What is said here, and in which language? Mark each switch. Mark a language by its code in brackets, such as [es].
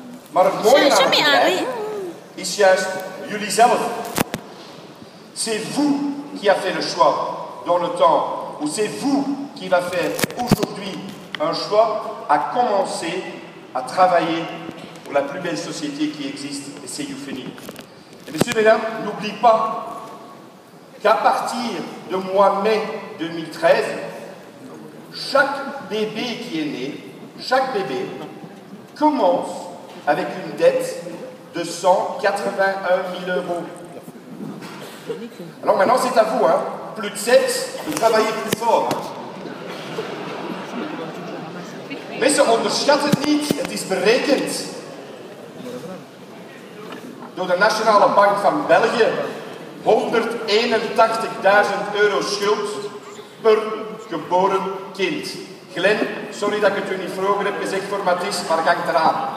[nl] Maar het mooie aan het bedrijf is juist jullie zelf. [fr] C'est vous qui a fait le choix dans le temps. Ou c'est vous qui va faire aujourd'hui un choix à commencer à travailler pour la plus belle société qui existe, et c'est Symphony. Et messieurs, mesdames, n'oubliez pas qu'à partir de mois mai 2013, chaque bébé qui est né, chaque bébé, commence avec une dette de 181 000 euros. Alors maintenant, c'est à vous, hein. Plus de sexe, vous travaillez plus fort. Mais ça, on ne [nl] schatte niet, het is berekend. Door de Nationale Bank van België 181.000 euro schuld per geboren kind. Glenn, sorry dat ik het u niet vroeger heb gezegd voor Mathis, maar ga ik eraan.